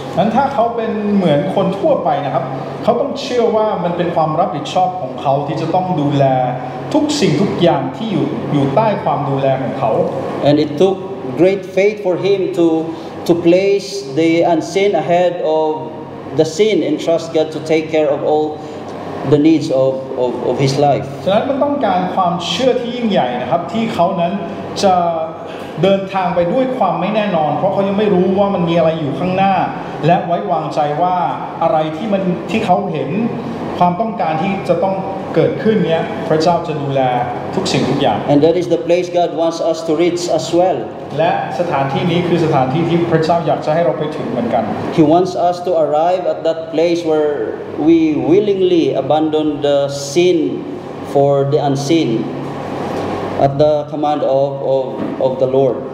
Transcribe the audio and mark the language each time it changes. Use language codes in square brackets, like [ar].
[th] นั้นถ้าเขาเป็นเหมือนคนทั่วไปนะครับเขาต้องเชื่อว่ามันเป็นความรับผิดชอบของเขาที่จะต้องดูแลทุกสิ่งทุกอย่างที่อยู่ใต้ความดูแลของเขา [en] And it took great faith for him to place the unseen ahead of the seen and trust God to take care of all the needs of his life. [th] ฉะนั้นมันต้องการความเชื่อที่ยิ่งใหญ่นะครับที่เขานั้นจะเดินทางไปด้วยความไม่แน่นอนเพราะเขายังไม่รู้ว่ามันมีอะไรอยู่ข้างหน้าและไว้วางใจว่าอะไรที่เขาเห็นความต้องการที่จะต้องเกิดขึ้นเนี้ยพระเจ้าจะดูแลทุกสิ่งทุกอย่าง [en] And that is the place God wants us to reach as well [th] และสถานที่นี้คือสถานที่ที่พระเจ้าอยากจะให้เราไปถึงเหมือนกัน [en] He wants us to arrive at that place where we willingly abandon the seen for the unseen at the command of the Lord